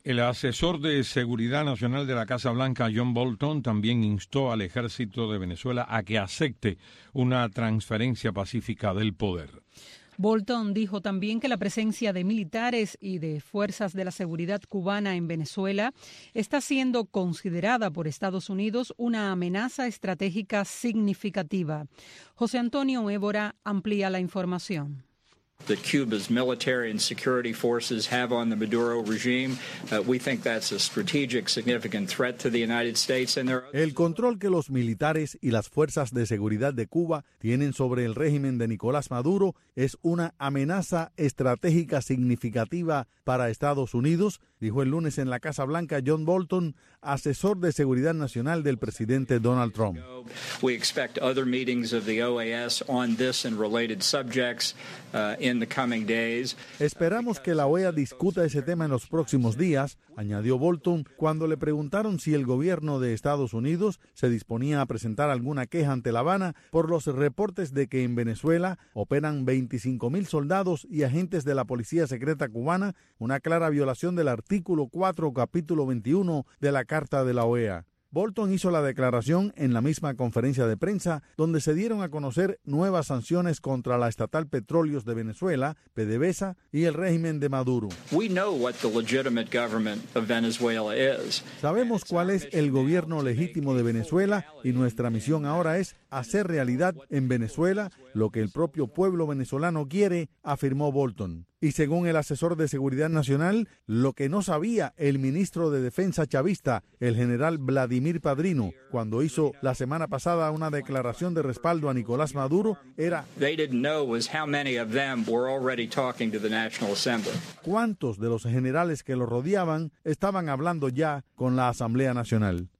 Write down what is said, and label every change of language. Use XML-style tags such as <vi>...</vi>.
<es>El asesor de Seguridad Nacional de la Casa Blanca, John Bolton, también instó al ejército de Venezuela a que acepte una transferencia pacífica del poder. Bolton dijo también que la presencia de militares y de fuerzas de la seguridad cubana en Venezuela está siendo considerada por Estados Unidos una amenaza estratégica significativa. José Antonio Évora amplía la información.</es> <en>That Cuba's military and security forces have on the Maduro regime, we think that's a strategic significant threat to the United States and their.</en> <es>El control que los militares y las fuerzas de seguridad de Cuba tienen sobre el régimen de Nicolás Maduro es una amenaza estratégica significativa para Estados Unidos, dijo el lunes en la Casa Blanca John Bolton, asesor de seguridad nacional del presidente Donald Trump.</es> <en>We expect other meetings of the OAS on this and related subjects. In the coming days.</en> <es>Esperamos que la OEA discuta ese tema en los próximos días, añadió Bolton cuando le preguntaron si el gobierno de Estados Unidos se disponía a presentar alguna queja ante La Habana por los reportes de que en Venezuela operan 25.000 soldados y agentes de la policía secreta cubana, una clara violación del artículo 4, capítulo 21 de la Carta de la OEA. Bolton hizo la declaración en la misma conferencia de prensa, donde se dieron a conocer nuevas sanciones contra la estatal Petróleos de Venezuela, PDVSA, y el régimen de Maduro.</es> <en>We know what the legitimate government of Venezuela is.</en> <es>Sabemos cuál es el gobierno legítimo de Venezuela y nuestra misión ahora es hacer realidad en Venezuela lo que el propio pueblo venezolano quiere, afirmó Bolton. Y según el asesor de Seguridad Nacional, lo que no sabía el ministro de Defensa chavista, el general Vladimir Padrino, cuando hizo la semana pasada una declaración de respaldo a Nicolás Maduro, era cuántos de los generales que lo rodeaban estaban hablando ya con la Asamblea Nacional.</es>